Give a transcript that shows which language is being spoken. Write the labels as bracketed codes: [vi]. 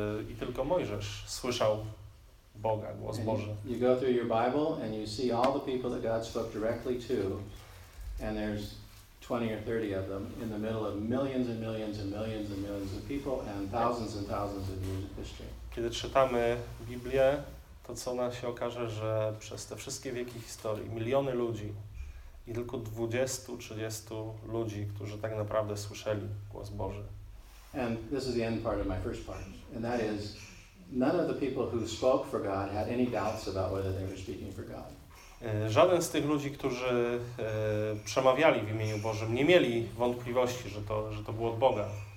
[pl] I tylko Mojżesz słyszał Boga, głos Boży. [en] You go through your Bible and you see all the people that God spoke directly to. And there's 20 or 30 of them in the middle of millions and millions and millions and millions of people and thousands of years of history. [pl] Kiedy czytamy Biblię, to co nam się okaże, że przez te wszystkie wieki historii, miliony ludzi i tylko 20-30 ludzi, którzy tak naprawdę słyszeli głos Boży. [en] And this is the end part of my first part, and that is none of the people who spoke for God had any doubts about whether they were speaking for God. [pl] Żaden z tych ludzi, którzy przemawiali w imieniu Bożym, nie mieli wątpliwości, że to było od Boga.